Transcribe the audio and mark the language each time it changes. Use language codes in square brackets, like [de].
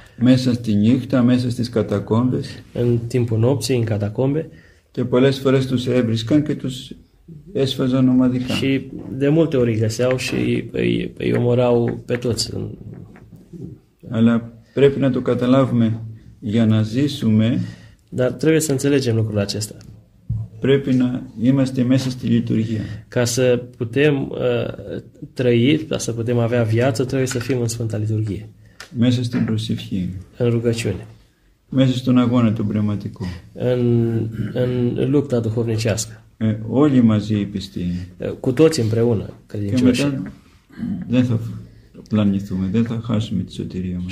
[el] Μέσα στη νύχτα, μέσα στις κατακόμπες. [ro] În timpul nopții, în catacombe. [el] Και πολλές φορές τους έβρισκαν και τους έσφαζαν ομαδικά. [ro] Și de multe ori găseau și îi omorau pe toți. [el] Αλλά πρέπει να το καταλάβουμε για να ζήσουμε. [ro] Dar trebuie să înțelegem lucrul acesta. [el] Πρέπει να είμαστε μέσα στη λειτουργία. [ro] Ca să putem trăi, ca să putem avea viață, trebuie să fim în Sfânta Liturghie. [el] Μέσα στην προσευχή. [ro] În rugăciune. [el] Μέσα στον αγώνα του πνευματικού. [ro] În lupta duhovnicească. [el] Όλοι μαζί οι πιστοί. [ro] Cu toți împreună, credincioși. [el] Και μετά δεν θα πλανηθούμε, δεν θα χάσουμε τη σωτηρία μας.